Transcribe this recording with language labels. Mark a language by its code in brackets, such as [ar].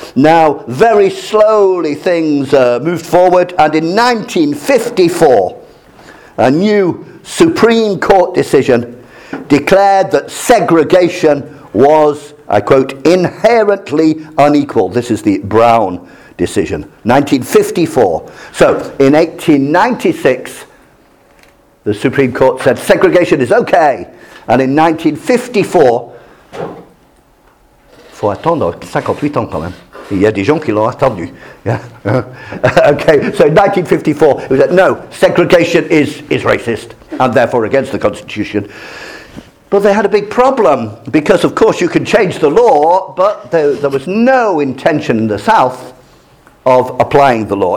[en] Now, very slowly things moved forward, and in 1954, a new Supreme Court decision declared that segregation was, I quote, inherently unequal. This is the Brown decision, 1954. So in 1896, the Supreme Court said segregation is okay. And in 1954, [fr] faut attendre 58 ans quand même. Il y a des gens qui l'ont attendu. [en] Okay, so in 1954, it was no, segregation is racist and therefore against the Constitution. But they had a big problem because, of course, you can change the law, but there was no intention in the South of applying the law.